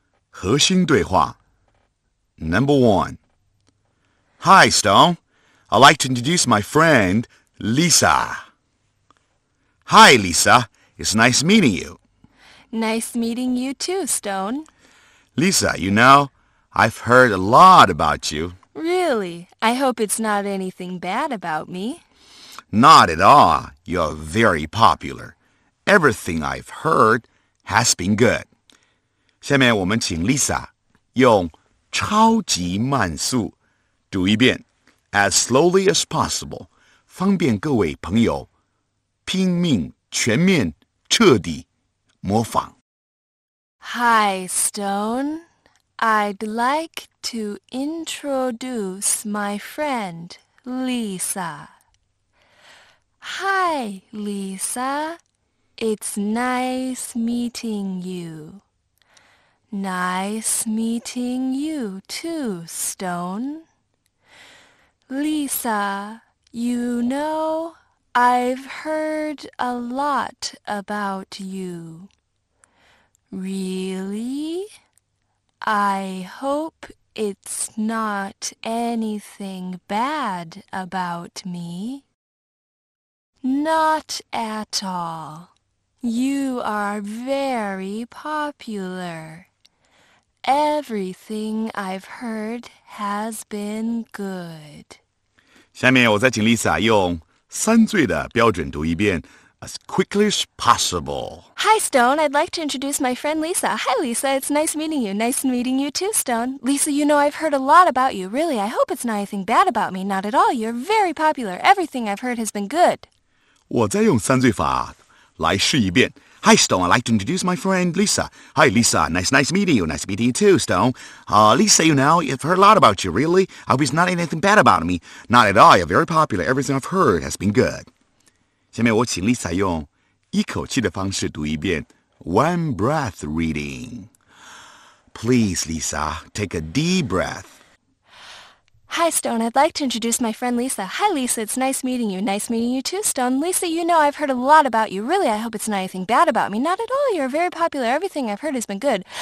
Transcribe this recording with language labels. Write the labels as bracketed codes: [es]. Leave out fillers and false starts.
[zh] 核心对话 [en] Number 1. Hi, Stone. I'd like to introduce my friend, Lisa. Hi, Lisa. It's nice meeting you. Nice meeting you too, Stone. Lisa, you know, I've heard a lot about you. Really? I hope it's not anything bad about me. Not at all. You're very popular. Everything I've heard has been good. [zh] 下面我们请 Lisa 用超级慢速读一遍 [en] as slowly as possible, [zh] 方便各位朋友拼命全面彻底模仿。 [en] Hi, Stone. I'd like to introduce my friend, Lisa. Hi, Lisa. It's nice meeting you. Nice meeting you too, Stone. Lisa, you know, I've heard a lot about you. Really? I hope it's not anything bad about me. Not at all. You are very popular. Everything I've heard has been good. [zh] 下面我再请 Lisa 用三岁的标准读一遍 [en] as quickly as possible. Hi, Stone. I'd like to introduce my friend Lisa. Hi, Lisa. It's nice meeting you. Nice meeting you too, Stone. Lisa, you know, I've heard a lot about you. Really, I hope it's not anything bad about me. Not at all. You're very popular. Everything I've heard has been good. [zh] 我再用三岁法来试一遍。 [en] Hi, Stone, I'd like to introduce my friend, Lisa. Hi, Lisa, nice meeting you. Nice meeting you too, Stone. Lisa, you know, I've heard a lot about you, really. I hope it's not anything bad about me. Not at all, you're very popular. Everything I've heard has been good. [zh] 下面我请 Lisa 用一口气的方式读一遍 [en] One breath reading. Please, Lisa, take a deep breath. Hi, Stone. I'd like to introduce my friend Lisa. Hi, Lisa. It's nice meeting you. Nice meeting you too, Stone. Lisa, you know, I've heard a lot about you. Really, I hope it's not anything bad about me. Not at all. You're very popular. Everything I've heard has been good.